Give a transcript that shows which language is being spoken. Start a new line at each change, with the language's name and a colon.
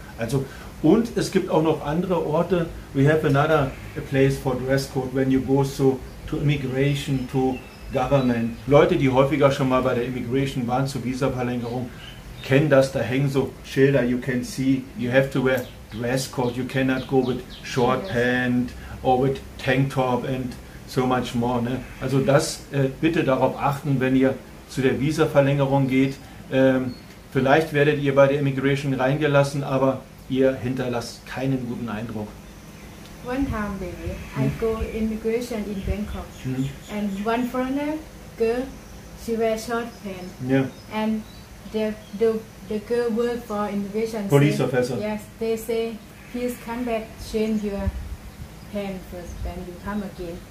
German: Also, und es gibt auch noch andere Orte.
English: We have another place for dress code when you go to immigration, to government.
German: Leute, die häufiger schon mal bei der Immigration waren, zur Visa-Verlängerung, kennen das. Da hängen so Schilder,
English: you can see, you have to wear dress code. You cannot go with short pants or with tank top and so much more. Ne?
German: Also das, bitte darauf achten, wenn ihr zu der Visa-Verlängerung geht. Vielleicht werdet ihr bei der Immigration reingelassen, aber ihr hinterlasst keinen guten Eindruck.
English: One time, baby, I go immigration in Bangkok. And one foreigner girl, she wear short pants. Yeah. And the girl work for immigration. Police say, officer. Yes, they say, please come back, change your pants first, then you come again.